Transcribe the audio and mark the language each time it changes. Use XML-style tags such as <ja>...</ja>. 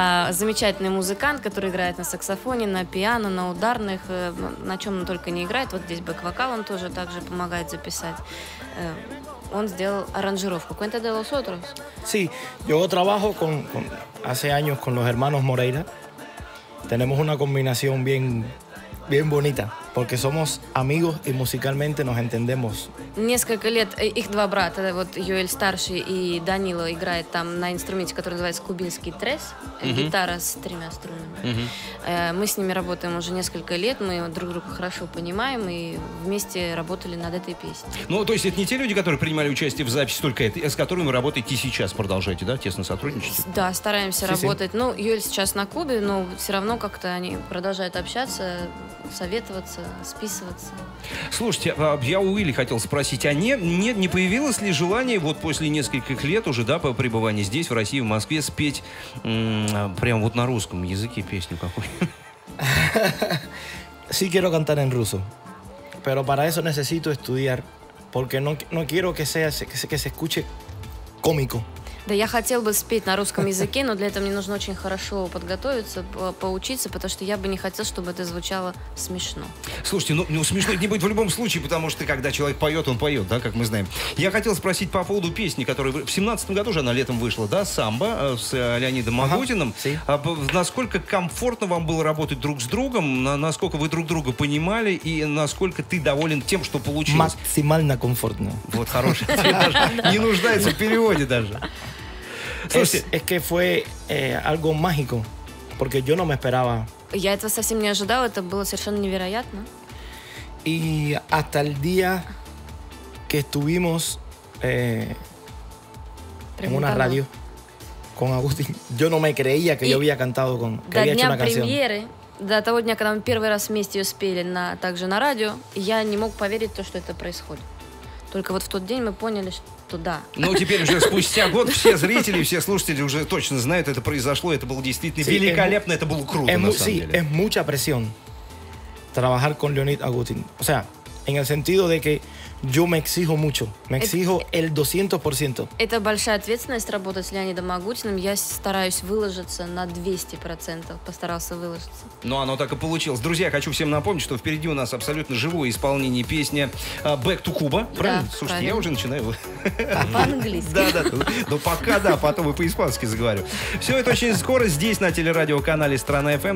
<ru>Замечательный музыкант, который играет на саксофоне, на пиано, на ударных, на чем он только не играет. Вот здесь бэк-вокал он тоже также помогает записать. Он сделал аранжировку.</ru> <es>Cuenta de los otros. Sí, yo trabajo con hace años con los hermanos Moreira. Tenemos una combinación bien bien bonita, porque somos amigos y musicalmente nos entendemos.</es> <ru>Несколько лет их два брата, вот Юэль старший и Данило играет там на инструменте, который называется кубинский трес, гитара с тремя струнами. Мы с ними работаем уже несколько лет, мы друг друга хорошо понимаем и вместе работали над этой песней. Ну, то есть это не те люди, которые принимали участие в записи только этой, с которыми вы работаете сейчас, продолжаете, да, тесно сотрудничать? Да, стараемся работать. Ну, Юэль сейчас на Кубе, но все равно как-то они продолжают общаться, советоваться, списываться. Слушайте, я у Уилли хотел спросить, а не появилось ли желание вот после нескольких лет уже, да, по пребыванию здесь, в России, в Москве, спеть прямо вот на русском языке песню какую-нибудь?</ru> <es>Sí quiero cantar en ruso, pero para eso necesito estudiar, porque no quiero que sea que se escuche cómico.</es> <ru>Да, я хотел бы спеть на русском языке, но для этого мне нужно очень хорошо подготовиться, поучиться, потому что я бы не хотел, чтобы это звучало смешно. Слушайте, ну смешно это не будет в любом случае, потому что когда человек поет, он поет, да, как мы знаем. Я хотел спросить по поводу песни, которая в 17-м году же она летом вышла, да, «Самба» с Леонидом Агутиным. Насколько комфортно вам было работать друг с другом, насколько вы друг друга понимали и насколько ты доволен тем, что получилось? Максимально комфортно. Вот хороший. Не нуждается в переводе даже.</ru> <es>Es que fue algo mágico, porque yo no me esperaba.</es> <ru>Я этого совсем не ожидал, это было совершенно невероятно.</ru> <es>Y hasta el día que estuvimos en una radio con Agustín, yo no me creía que yo había cantado con, que había hecho una canción.</es> <ru>До того дня, когда мы первый раз вместе ее спели также на радио, я не мог поверить то, что это происходит. Только вот в тот день мы поняли, что да. Ну, теперь уже спустя год все зрители, все слушатели уже точно знают, это произошло, это было действительно sí, великолепно, это было круто, на самом деле.</ru> <es>Es mucha presión trabajar con Леонид Агутин. O sea, en el sentido de que yo me exijo mucho, me exijo el 200%.</es> <ru>Это большая ответственность работать с Леонидом Агутиным. Я стараюсь выложиться на 200%, постарался выложиться. Ну, оно так и получилось. Друзья, хочу всем напомнить, что впереди у нас абсолютно живое исполнение песни «Back to Cuba». Правильно? Да, слушайте, правильно. Я уже начинаю... По-английски. Да-да, но пока да, потом и по-испански заговорю. Все это очень скоро здесь, на телерадиоканале «Страна FM».</ru>